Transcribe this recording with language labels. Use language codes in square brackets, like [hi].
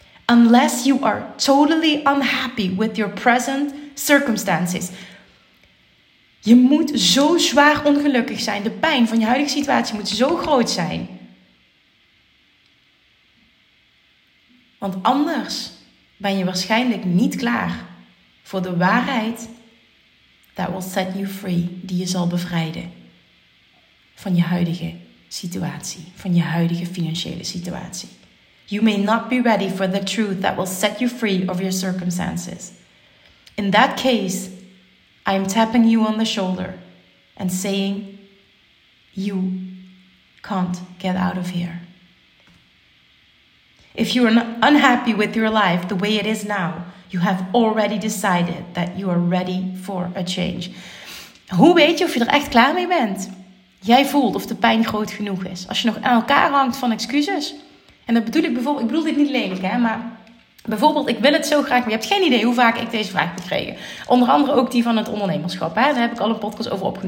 [en] Unless you are totally unhappy with your present circumstances. [nl] Je moet zo zwaar ongelukkig zijn. De pijn van je huidige situatie moet zo groot zijn. Want anders ben je waarschijnlijk niet klaar voor de waarheid [en] that will set you free, [nl] die je zal bevrijden van je huidige situatie, van je huidige financiële situatie. [en] You may not be ready for the truth that will set you free of your circumstances. In that case, I am tapping you on the shoulder and saying, you can't get out of here. If you are unhappy with your life the way it is now, you have already decided that you are ready for a change. [nl] Hoe weet je of je er echt klaar mee bent? Jij voelt of de pijn groot genoeg is. Als je nog aan elkaar hangt van excuses, En dat bedoel ik bijvoorbeeld, ik bedoel dit niet lelijk, hè, maar bijvoorbeeld, ik wil het zo graag, maar je hebt geen idee hoe vaak ik deze vraag heb gekregen. Onder andere ook die van het ondernemerschap. Hè? Daar heb ik al een podcast over opgenomen.